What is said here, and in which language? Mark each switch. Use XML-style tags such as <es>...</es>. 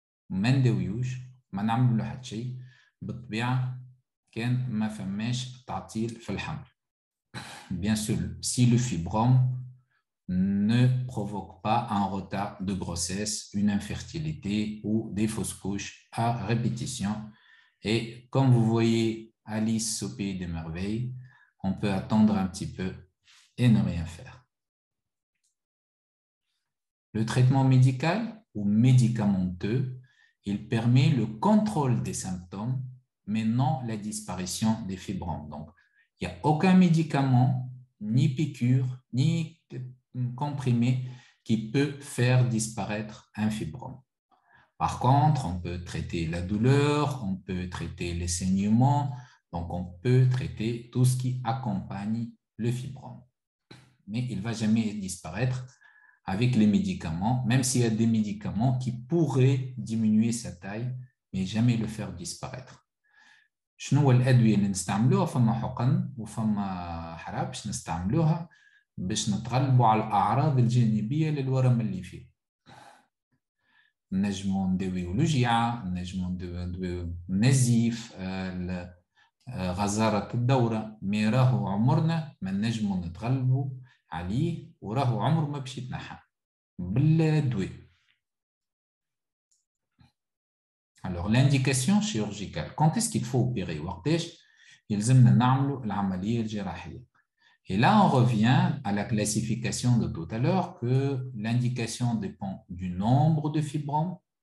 <ar>ما نداويوش ما نعملو حتى شيء بالطبيعه كان ما فماش تعطيل في الحمل.</ar> <fr>Bien sûr, si le fibrome ne provoque pas un retard de grossesse, une infertilité ou des fausses couches à répétition. Et comme vous voyez Alice au pays des merveilles, on peut attendre un petit peu et ne rien faire. Le traitement médical ou médicamenteux, il permet le contrôle des symptômes, mais non la disparition des fibromes. Donc, il n'y a aucun médicament, ni piqûre, ni comprimé qui peut faire disparaître un fibrome. Par contre, on peut traiter la douleur, on peut traiter les saignements, donc on peut traiter tout ce qui accompagne le fibrome. Mais il ne va jamais disparaître avec les médicaments, même s'il y a des médicaments qui pourraient diminuer sa taille, mais jamais le faire disparaître.</fr> <ar>شنو هو الأدوية اللي نستعملوها، فما حقن وفما حراب باش نستعملوها باش نتغلبوا على الأعراض الجانبية للورم اللي فيه. نجمو نداويو الوجيعة، نجمو نداويو النزيف، غزارة الدورة، مي راهو عمرنا ما نجمو نتغلبوا عليه وراهو عمره ما باش يتنحى بالدواء.</ar> <fr>Alors l'indication chirurgicale, quand est-ce qu'il faut opérer,</fr> <ar>waqtash yelzemna na'ملو l'amalie al-jirahiya.</ar> <fr>Et là on revient à la classification de tout à l'heure, que l'indication dépend du nombre de fibromes.</fr>